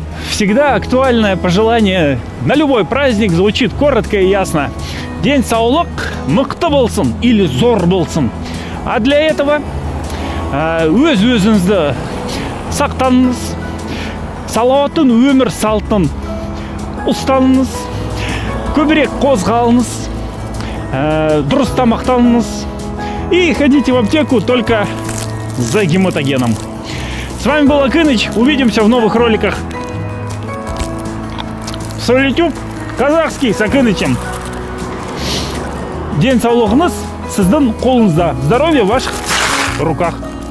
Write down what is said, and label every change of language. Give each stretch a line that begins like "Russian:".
Russian: Всегда актуальное пожелание на любой праздник звучит коротко и ясно.
Kazakh: День саулык, мықты болсын или зор болсын. А для этого өз-өзіңізді сақтаныңыз, салауатын өмір салтын ұстаныңыз, көбірек қозғалыңыз, дұрыс тамақтаныңыз
Russian: и ходите в аптеку только за гематогеном. С вами был Акыныч, увидимся в новых роликах. Солютюб казахский с Акынычем.
Kazakh: День саулығыңыз сіздің қолыңызда.
Russian: Здоровье в ваших руках.